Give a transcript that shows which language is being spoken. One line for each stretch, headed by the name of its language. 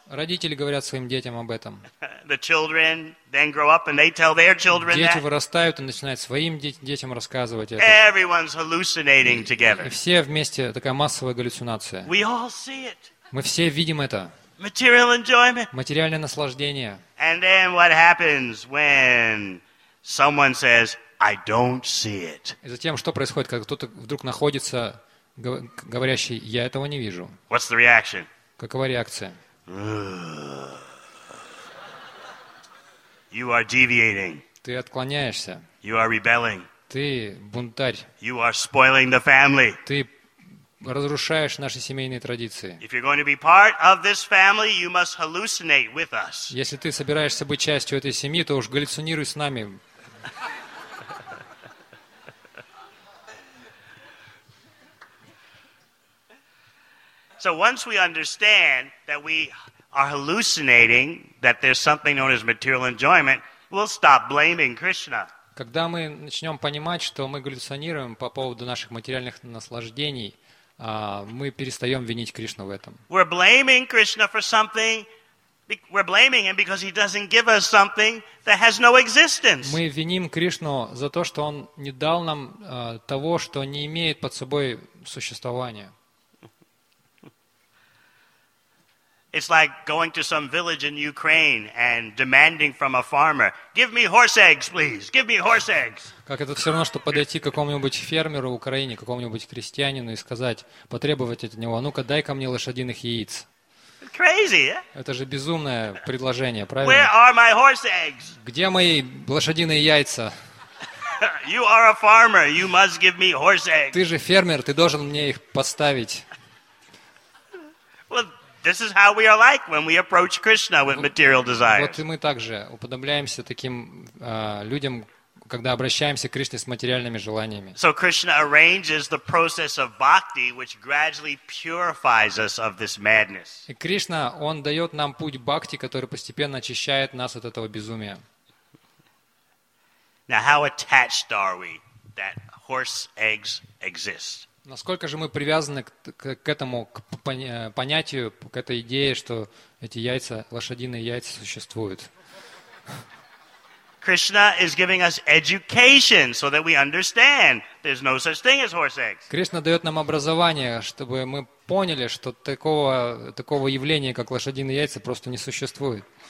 Russian: Родители говорят своим детям об этом.
English: The children then grow up and they tell their children that.
Russian: Дети вырастают и начинают своим детям рассказывать это.
English: Everyone's hallucinating together.
Russian: И все вместе, такая массовая галлюцинация.
English: We all see it.
Russian: Мы все видим это.
English: Material enjoyment.
Russian: Материальное наслаждение.
English: And then what happens when someone says, "I don't see it"?
Russian: И затем что происходит, когда кто-то вдруг находится говорящий, я этого не вижу?
English: What's the reaction?
Russian: Какова реакция?
English: You are deviating.
Russian: Ты отклоняешься.
English: You are rebelling.
Russian: Ты бунтарь.
English: You are spoiling the family.
Russian: Ты разрушаешь наши семейные традиции.
English: If you're going to be part of this family, you must hallucinate with us.
Russian: Если ты собираешься быть частью этой семьи, то уж галлюцинируй с нами.
English: So once we understand that we are hallucinating, that there's something known as material enjoyment, we'll stop blaming Krishna.
Russian: Когда мы начнем понимать, что мы галлюцинируем по поводу наших материальных наслаждений, мы перестаем винить Кришну в этом.
English: We're blaming Krishna for something. We're blaming him because he doesn't give us something that has no existence.
Russian: Мы виним Кришну за то, что он не дал нам того, что не имеет под собой существования.
English: It's like going to some village in Ukraine and demanding from a farmer, "Give me horse eggs, please. Give me horse eggs."
Russian: Как это все равно, что подойти к какому-нибудь фермеру в Украине, какому-нибудь крестьянину и сказать, потребовать от него, ну-ка, дай-ка мне лошадиных яиц.
English: Crazy, yeah?
Russian: Это же безумное предложение, правильно?
English: Where are my horse eggs?
Russian: Где мои лошадиные яйца?
English: You are a farmer. You must give me horse eggs.
Russian: Ты же фермер, ты должен мне их поставить.
English: This is how we are like when we approach Krishna with material desires.
Russian: Вот и мы также уподобляемся таким людям, когда обращаемся к Кришне с материальными желаниями.
English: So Krishna arranges the process of bhakti, which gradually purifies us of this madness.
Russian: И Кришна, он дает нам путь бхакти, который постепенно очищает нас от этого безумия.
English: Now how attached are we that horse eggs exist?
Russian: Насколько же мы привязаны к этому понятию, к этой идее, что эти яйца, лошадиные яйца существуют?
English: Krishna is giving us education so that we understand there's no such thing as horse eggs.
Russian: Кришна дает нам образование, чтобы мы поняли, что такого явления, как лошадиные яйца, просто не существует.